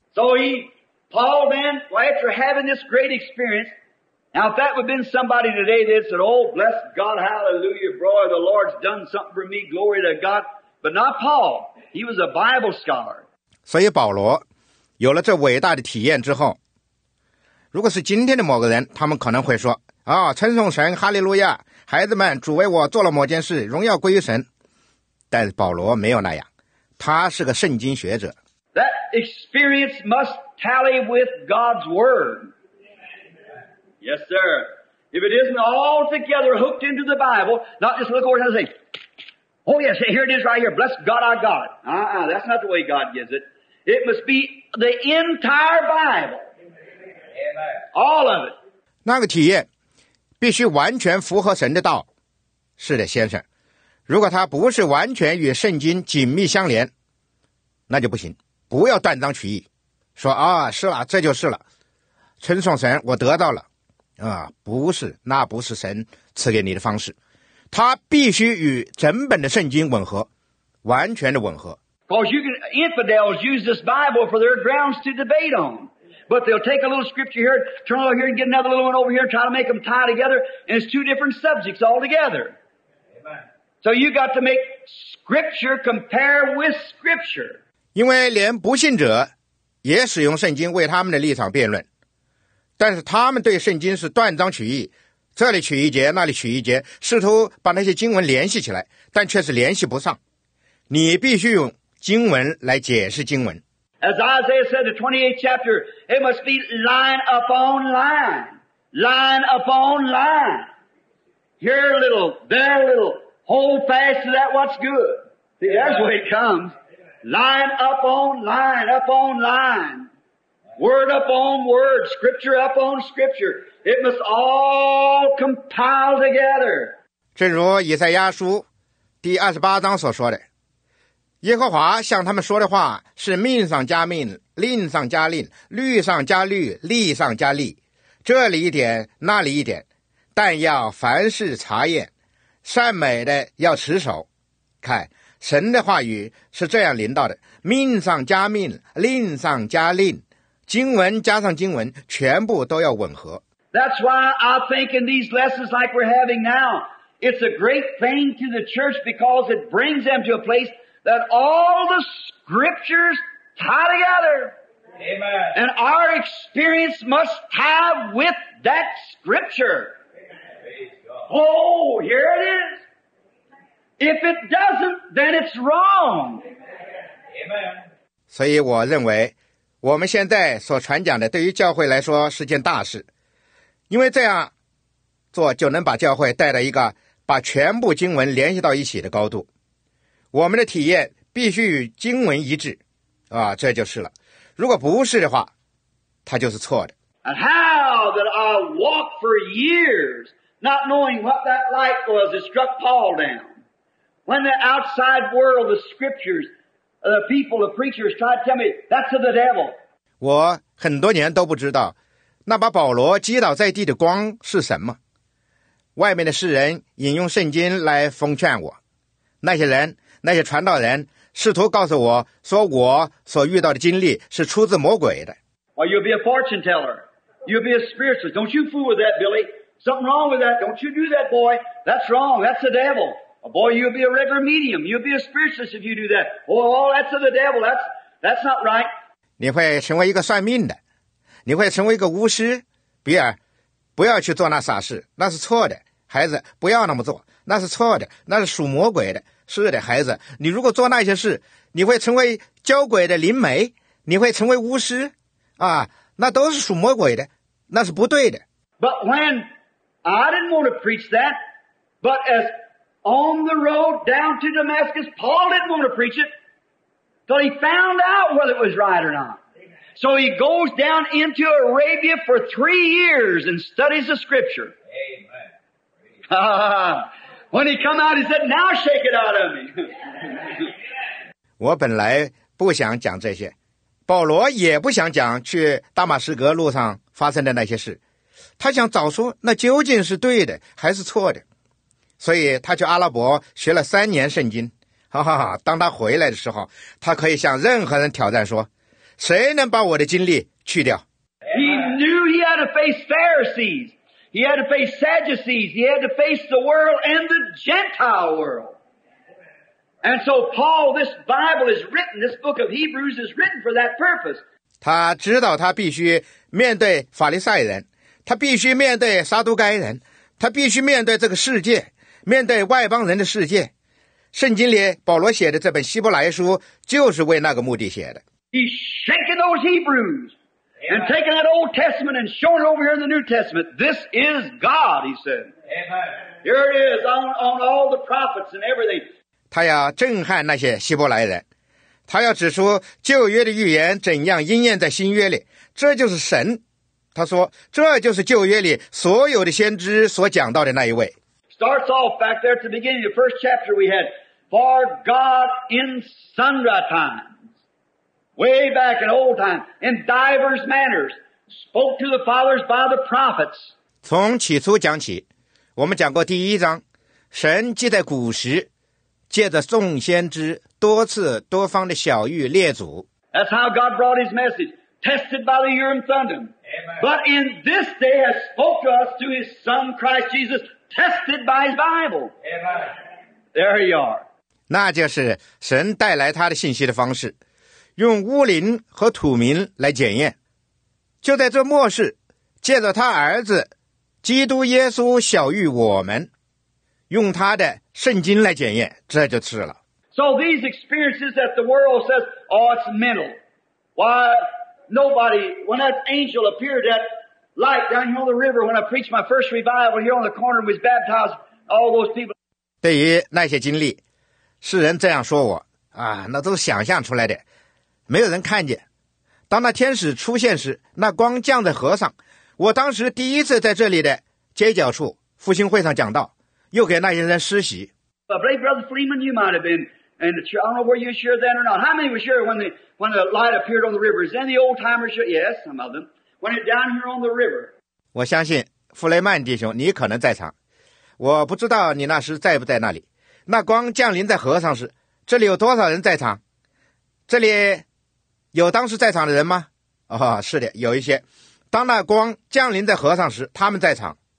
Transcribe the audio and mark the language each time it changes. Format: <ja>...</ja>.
<en>So he, Paul then, well, after having this great experience, now if that would have been somebody today that said, oh, bless God, hallelujah, brother, the Lord's done something for me, glory to God. But not Paul. He was a Bible scholar.</en> <zh>所以保罗有了这伟大的体验之后，如果是今天的某个人，他们可能会说，哦，称颂神，哈利路亚，孩子们，主为我做了某件事，荣耀归于神。但保罗没有那样，他是个圣经学者。</zh> <en>That experience must tally with God's Word. Yes, sir. If it isn't altogether hooked into the Bible, not just look over and say, oh yes, here it is right here, bless God, I got it. Uh-uh, that's not the way God gives it. It must be the entire Bible. Amen. All of it.</en> <zh>那个体验必须完全符合神的道。是的，先生。如果它不是完全与圣经紧密相连，那就不行。不要断章取义，说啊，是了，这就是了，称颂神，我得到了，啊，不是，那不是神赐给你的方式，它必须与整本的圣经吻合，完全的吻合。</zh> <en>Because you can, infidels use this Bible for their grounds to debate on, but they'll take a little scripture here, turn over here and get another little one over here, try to make them tie together, and it's two different subjects altogether. Amen. So you got to make scripture compare with scripture.</en> <zh>因为连不信者也使用圣经为他们的立场辩论，但是他们对圣经是断章取义，这里取一节，那里取一节，试图把那些经文联系起来，但却是联系不上。你必须用经文来解释经文。</zh> <en>As Isaiah said, the 28th chapter, it must be line upon line, line upon line. Here a little, there a little, hold fast to that what's good. See, that's where it comes. Line upon line, upon line. Word upon word, scripture upon scripture. It must all compile together.</en> <zh>正如以赛亚书第28章所说的，耶和华向他们说的话是命上加命，令上加令，律上加律，利上加利。这里一点，那里一点，但要凡事查验，善美的要持守。看。神的话语是这样临到的，命上加命，令上加令，经文加上经文，全部都要吻合。</zh> <en>That's why I think in these lessons like we're having now, it's a great thing to the church because it brings them to a place that all the scriptures tie together. Amen. And our experience must tie with that scripture. Oh, here it is. If it doesn't, then it's wrong. Amen.</en> <zh>所以我认为我们现在所传讲的对于教会来说是件大事，因为这样做就能把教会带到一个把全部经文联系到一起的高度。我们的体验必须与经文一致啊，这就是了。如果不是的话，它就是错的。</zh> <en>And how that I walked for years, not knowing what that light was, it struck Paul down. When the outside world, the scriptures, the people, the preachers tried to tell me, that's of the devil.</en> <zh>我很多年都不知道，那把保罗击倒在地的光是什么。外面的世人引用圣经来奉劝我，那些人，那些传道人试图告诉我说我所遇到的经历是出自魔鬼的。</zh> <en>Well, you'll be a fortune teller. You'll be a spiritualist. Don't you fool with that, Billy. Something wrong with that. Don't you do that, boy. That's wrong. That's the devil. Oh, boy, you'll be a regular medium. You'll be a spiritualist if you do that. Oh, that's of the devil. That's not right.</en> <zh>你会成为一个算命的。你会成为一个巫师。比尔，不要去做那傻事。那是错的。孩子，不要那么做。那是错的。那是属魔鬼的。是的，孩子，你如果做那些事，你会成为教鬼的灵媒，你会成为巫师，啊，那都是属魔鬼的，那是不对的。</zh> <en>But when I didn't want to preach that, but as on the road down to Damascus, Paul didn't want to preach it, till he found out whether it was right or not. So he goes down into Arabia for 3 years and studies the scripture. Amen. When he come out, he said, "Now shake it out of me."</en> <zh>我本来不想讲这些，保罗也不想讲去大马士革路上发生的那些事，他想早说那究竟是对的还是错的，所以他去阿拉伯学了3年圣经。哈哈哈！当他回来的时候，他可以向任何人挑战说，谁能把我的经历去掉</zh> <en>？He knew he had to face Pharisees. He had to face Sadducees. He had to face the world and the Gentile world. And so Paul, this Bible is written, this book of Hebrews is written for that purpose.</en> <zh>他知道他必须面对法利赛人，他必须面对撒都该人，他必须面对这个世界，面对外邦人的世界。圣经里保罗写的这本希伯来书就是为那个目的写的。</zh> <en>He's shaking those Hebrews. And taking that Old Testament and showing it over here in the New Testament, this is God, he said. Amen. Here it is on all the prophets and everything.</en> <zh>他要震撼那些希伯来人，他要指出旧约的预言怎样应验在新约里，这就是神。他说，这就是旧约里所有的先知所讲到的那一位。</zh> <en>Starts off back there at the beginning of the first chapter we had, for God in sundry time. Way back in old time, in divers manners, spoke to the fathers by the prophets.</en> <zh>从起初讲起，我们讲过第一章，神既在古时，借着众先知多次多方的晓谕列祖。</zh> <en>That's how God brought His message, tested by the Urim Thummim. Amen. But in this day has spoke to us through His Son Christ Jesus, tested by His Bible. Amen. There you are.</en> <zh>那就是神带来他的信息的方式。用巫灵和土民来检验，就在这末世，借着他儿子基督耶稣晓谕我们，用他的圣经来检验，这就是了。</zh> <en>So these experiences that the world says, oh, it's mental. Why nobody? When that angel appeared, that light down here on the river, when I preached my first revival here on the corner, was baptized. All those people.</en> <zh>对于那些经历，世人这样说我啊，那都是想象出来的。没有人看见，当那天使出现时，那光降在河上。我当时第一次在这里的街角处复兴会上讲道，又给那些人施洗。</zh> <en>I believe Brother Freeman, you might have been, and I don't know whether you sure then or not. How many were sure when the light appeared on the river? Is any old timer sure? Yes, some of them. When it down here on the river.</en> <zh>我相信弗雷曼弟兄，你可能在场。我不知道你那时在不在那里。那光降临在河上时，这里有多少人在场？这里有当时在场的人吗？哦，是的，有一些。当那光降临在和尚时，他们在场。</zh>